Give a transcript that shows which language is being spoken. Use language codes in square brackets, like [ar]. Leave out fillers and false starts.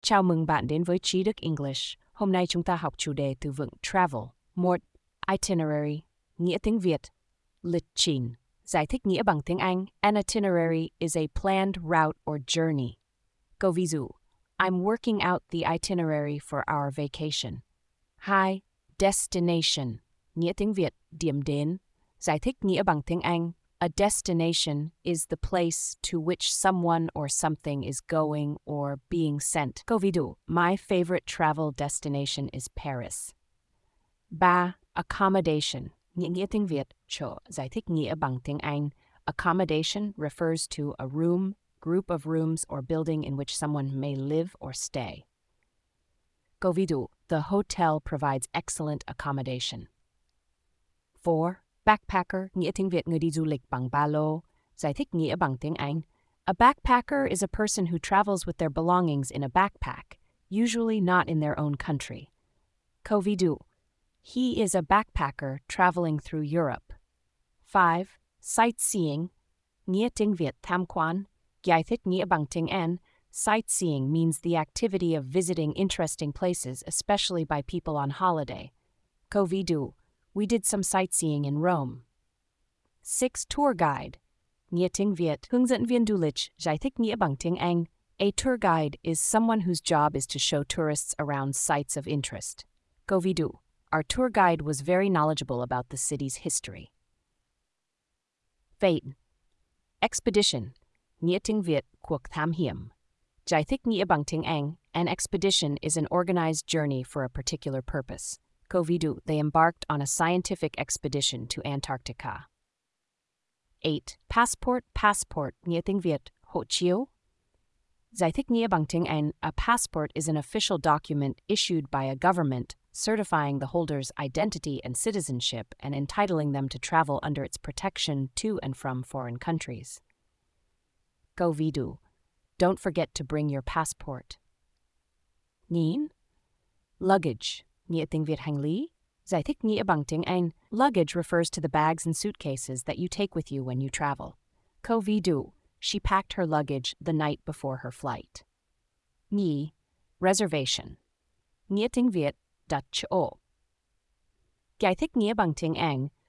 [vi] Chào mừng bạn đến với Trí Đức English. Hôm nay chúng ta học chủ đề từ vựng travel. Một, itinerary, nghĩa tiếng Việt. Lịch trình, giải thích nghĩa bằng tiếng Anh. [en] An itinerary is a planned route or journey. [vi] Câu ví dụ, [en] I'm working out the itinerary for our vacation. [vi] Hai, destination, nghĩa tiếng Việt, điểm đến. Giải thích nghĩa bằng tiếng Anh. [en] A destination is the place to which someone or something is going or being sent. [vi] Câu ví dụ, [en] my favorite travel destination is Paris. [vi] Ba, accommodation, nghĩa tiếng Việt, chỗ, giải thích nghĩa bằng tiếng Anh. [en] Accommodation refers to a room, group of rooms or building in which someone may live or stay. [vi] Câu ví dụ, [en] the hotel provides excellent accommodation. [vi] Four, backpacker, nghĩa tiếng Việt, người đi du lịch bằng ba lô, giải thích nghĩa bằng tiếng Anh. [en] A backpacker is a person who travels with their belongings in a backpack, usually not in their own country. [vi] Câu ví dụ, [en] he is a backpacker traveling through Europe. [vi] Five, sightseeing, nghĩa tiếng Việt, tham quan, giải thích nghĩa bằng tiếng Anh. [en] Sightseeing means the activity of visiting interesting places, especially by people on holiday. [vi] Câu ví dụ, [en] we did some sightseeing in Rome. [vi] Six, tour guide, nghĩa tiếng Việt, hướng dẫn viên du lịch, giải thích nghĩa bằng tiếng Anh. [en] A tour guide is someone whose job is to show tourists around sites of interest. [vi] Câu ví dụ, [en] our tour guide was very knowledgeable about the city's history. [vi] Fate, expedition, nghĩa tiếng Việt, cuộc thám hiểm, giải thích nghĩa bằng tiếng Anh. [en] An expedition is an organized journey for a particular purpose. [vi] Câu ví dụ, [en] they embarked on a scientific expedition to Antarctica. 8. [vi] Passport, passport, nghĩa tiếng Việt, hộ chiếu. Giải thích nghĩa bằng tiếng Anh, [en] a passport is an official document issued by a government, certifying the holder's identity and citizenship and entitling them to travel under its protection to and from foreign countries. [vi] Câu ví dụ, [en] don't forget to bring your passport. 9. [vi] Luggage, nghĩa tiếng Việt, hành lý, giải thích nghĩa bằng tiếng Anh. [en] Luggage refers to the bags and suitcases that you take with you when you travel. [vi] Câu ví dụ, [en] she packed her luggage the night before her flight. [vi] Nhì, reservation, nghĩa tiếng Việt, đặt chỗ, giải thích nghĩa bằng tiếng Anh.